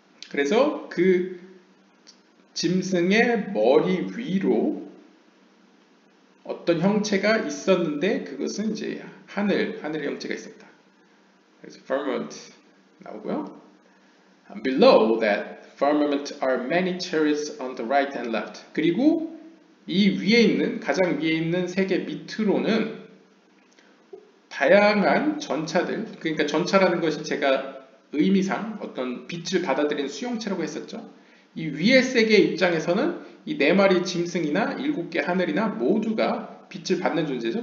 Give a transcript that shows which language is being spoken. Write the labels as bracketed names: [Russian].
[Korean] 그래서 그 짐승의 머리 위로 어떤 형체가 있었는데 그것은 이제 하늘의 형체가 있었다. 그래서 firmament 나오고요. [English] And below that firmament are many chariots on the right and left. [Korean] 그리고 이 위에 있는 가장 위에 있는 세계 밑으로는 다양한 전차들, 그러니까 전차라는 것이 제가 의미상 어떤 빛을 받아들인 수용체라고 했었죠. 이 위의 세계 입장에서는 이 네 마리 짐승이나 일곱 개 하늘이나 모두가 빛을 받는 존재죠.